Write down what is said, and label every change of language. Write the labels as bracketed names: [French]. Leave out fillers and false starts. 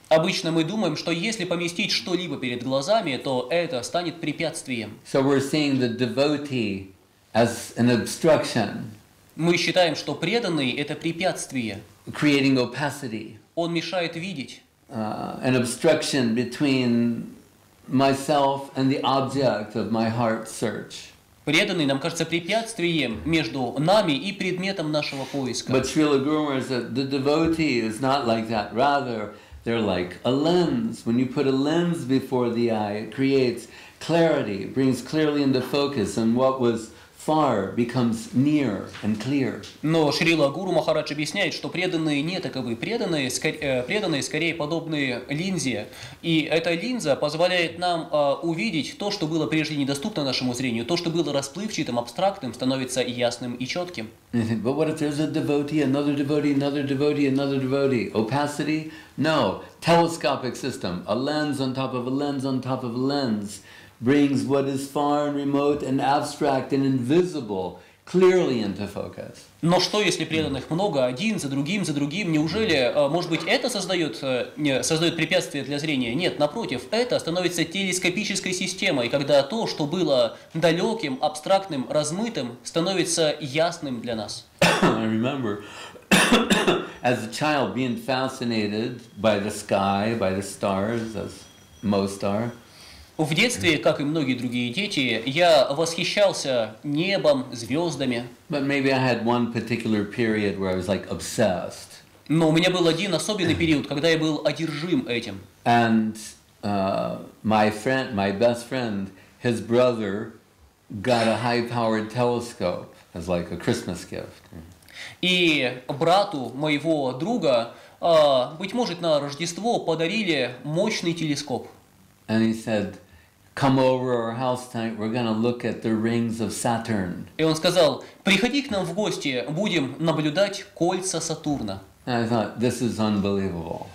[Russian] Обычно мы думаем, что если поместить что-либо перед глазами, то это станет препятствием. [English] So we're seeing the devotee as an obstruction. [Russian] Мы считаем, что преданный это препятствие. [English] Creating opacity. [Russian] Он мешает видеть. [English] An obstruction between myself and the object of my heart search. [Russian] Преданный нам кажется препятствием между нами и предметом нашего поиска. [English] But Srila Guru Maharaj said the devotee is not like that. Rather, they're like a lens. When you put a lens before the eye, it creates clarity, brings clearly into focus, and what was far becomes near and clear. [Russian] Но Шрила Гуру Махарадж объясняет, что преданные не таковы. Преданные скорее подобны линзе. И эта линза позволяет нам увидеть то, что было прежде недоступно нашему зрению. То, что было расплывчатым, абстрактным, становится ясным и четким. [English] But what if there's a devotee, another devotee, another devotee, another devotee? Opacity? No. Telescopic system. A lens on top of a lens on top of a lens. Brings what is far and remote and abstract and invisible clearly into focus. [Russian] Но что, если преданных много, один за другим, неужели, может быть, это создает препятствие для зрения? Нет, напротив, это становится телескопической системой, когда то, что было далеким, абстрактным, размытым, становится ясным для нас. [English] I remember as a child being fascinated by the sky, by the stars, as most are. [Russian] В детстве, как и многие другие дети, я восхищался небом, звездами. [English] But maybe I had one particular period where I was like obsessed. [Russian] Но у меня был один особенный период, когда я был одержим этим. [English] And my friend, my best friend, his brother got a high-powered telescope as like a Christmas gift. [Russian] И брату моего друга, быть может, на Рождество подарили мощный телескоп. [English] And he said, come over our house tonight, we're gonna look at the rings of Saturn. [Russian] И он сказал, приходи к нам в гости, будем наблюдать кольца Сатурна. [English] And I thought, this is unbelievable.